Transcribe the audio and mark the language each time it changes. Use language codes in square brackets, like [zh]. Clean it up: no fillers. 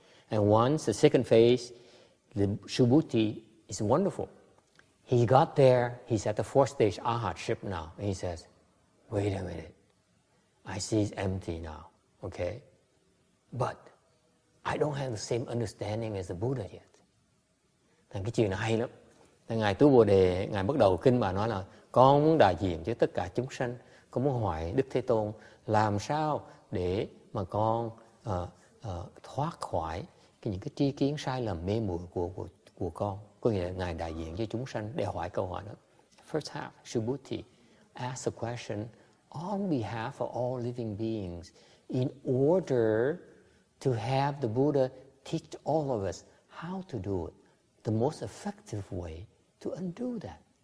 [en] And once, the second phase, the Subhuti is wonderful. He got there, he's at the fourth stage, arhatship now. And he says, wait a minute. I see it's empty now, okay? But I don't have the same understanding as the Buddha yet. [vi] Thằng cái chuyện này hay lắm. Thằng Ngài Tu Bồ Đề, Ngài bắt đầu kinh bà nói là con muốn đại diện cho tất cả chúng sanh, con muốn hỏi Đức Thế Tôn làm sao để mà con thoát khỏi cái những cái tri kiến sai lầm mê muội của con. Có nghĩa là Ngài đại diện cho chúng sanh để hỏi câu hỏi đó. [en] First half, Subhuti asked a question on behalf of all living beings, in order to have the Buddha teach all of us how to do it, the most effective way to undo that.